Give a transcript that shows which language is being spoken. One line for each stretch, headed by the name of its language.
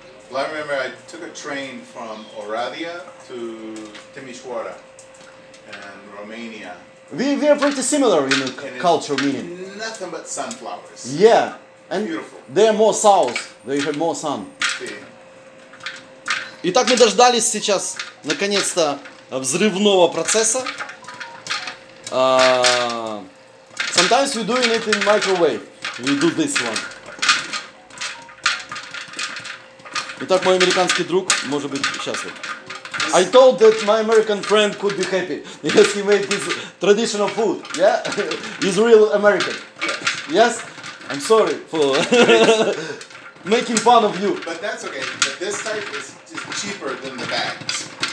English: Well, I remember I took a train from Oradea to Timișoara and Romania. We are pretty similar in the culture, meaning. Nothing but sunflowers. Yeah. And beautiful. They are more south. They have more sun. See.
Russian: Итак, мы дождались сейчас, наконец-то, взрывного процесса.
English: Sometimes we do it in microwave. We do this one.
Russian: Итак, мой американский друг может быть счастлив.
English: I told that my American friend could be happy because he made this traditional food. Yeah? He's real American. Yes? I'm sorry for making fun of you. But that's okay. But this type is just cheaper than the bags.